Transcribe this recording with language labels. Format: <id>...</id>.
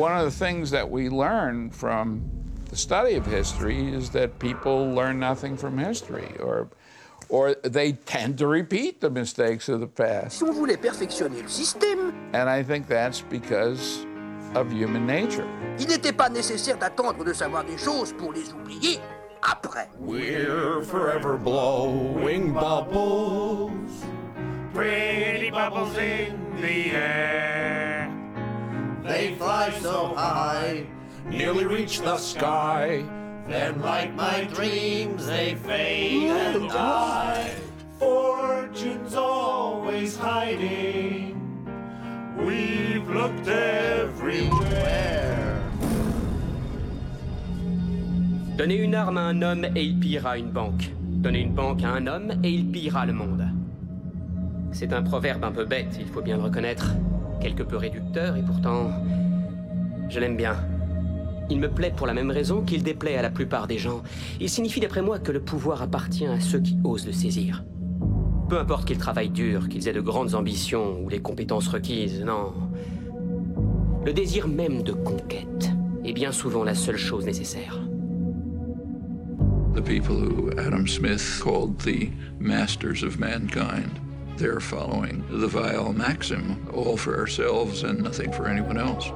<en>One of the things that we learn from the study of history is that people learn nothing from history, or they tend to repeat the mistakes of the past.</en> <fr>Si on voulait perfectionner le système.</fr> <en>And I think that's because of human nature.</en> <fr>Il n'était pas nécessaire d'attendre de savoir des choses pour les oublier après.</fr> <en>We're forever blowing bubbles, pretty bubbles in the air. They fly so high, nearly reach the sky. Then like my dreams, they fade and die. Fortune's always hiding. We've looked everywhere.</en> <fr>Donnez une arme à un homme et il pillera une banque. Donnez une banque à un homme et il pillera le monde. C'est un proverbe un peu bête, il faut bien le reconnaître. Quelque peu réducteur et pourtant, je l'aime bien. Il me plaît pour la même raison qu'il déplaît à la plupart des gens. Il signifie d'après moi que le pouvoir appartient à ceux qui osent le saisir. Peu importe qu'ils travaillent dur, qu'ils aient de grandes ambitions ou les compétences requises, non. Le désir même de conquête est bien souvent la seule chose nécessaire.</fr> <en>the people who Adam Smith called the masters of mankind. They're following the vile maxim, all for ourselves and nothing for anyone else.</en>